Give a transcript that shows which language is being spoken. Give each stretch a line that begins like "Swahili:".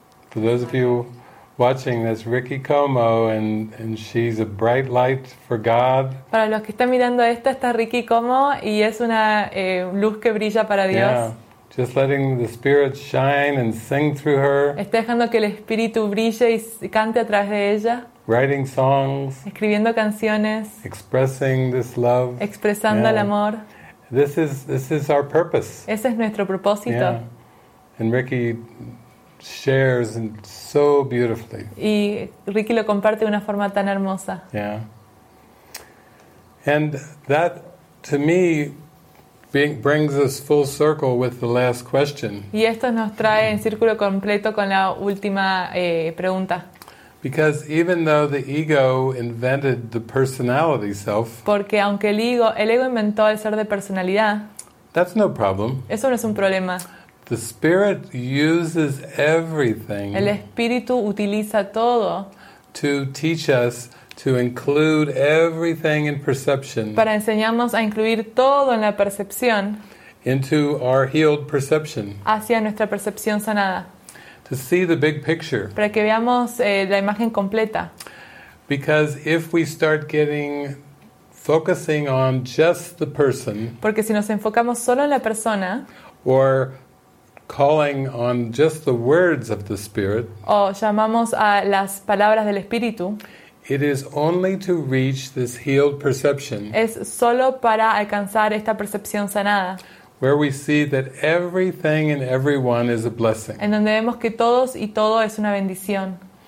English: For those of you watching, that's Ricky Como, and she's a bright light for God.
Spanish: Para los que están mirando esto, está Ricky Como, y es una luz que brilla para Dios.
English: Yeah. Just letting the Spirit shine and sing through her.
Spanish: Está dejando que el Espíritu brille y cante a través de ella.
English: Writing songs.
Spanish: Escribiendo canciones.
English: Expressing this love.
Spanish: Expresando el amor.
English: This is our purpose.
Spanish: Ese es nuestro propósito.
English: Yeah. And Ricky shares and so beautifully.
Spanish: Y Ricky lo comparte de una forma tan hermosa.
English: Yeah. And that, to me, brings us full circle with the last question.
Spanish: Y esto nos trae en círculo completo con la última pregunta.
English: Because even though the ego invented the personality self.
Spanish: Porque aunque el ego inventó el ser de personalidad.
English: That's no problem.
Spanish: Eso no es un problema.
English: The Spirit uses everything.
Spanish: El Espíritu utiliza todo.
English: To teach us to include everything in perception.
Spanish: Para enseñarnos a incluir todo en la percepción.
English: Into our healed perception.
Spanish: Hacia nuestra percepción sanada.
English: To see the big picture.
Spanish: Para que veamos la imagen completa.
English: Because if we start getting focusing on just the person.
Spanish: Porque si nos enfocamos solo en la persona.
English: Or calling on just the words of the Spirit.
Spanish: O llamamos a las palabras del Espíritu.
English: It is only to reach this healed perception.
Spanish: Es solo para alcanzar esta percepción sanada.
English: Where we see that everything and everyone is a blessing.
Spanish: En donde vemos que todos y todo es una bendición.